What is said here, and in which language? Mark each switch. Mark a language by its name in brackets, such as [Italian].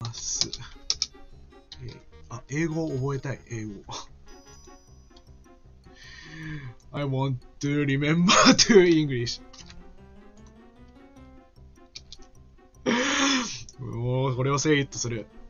[Japanese] ス、あ、英語を覚えたい、英語。 [English] I want to remember to English. [Japanese] もうこれをセイットする。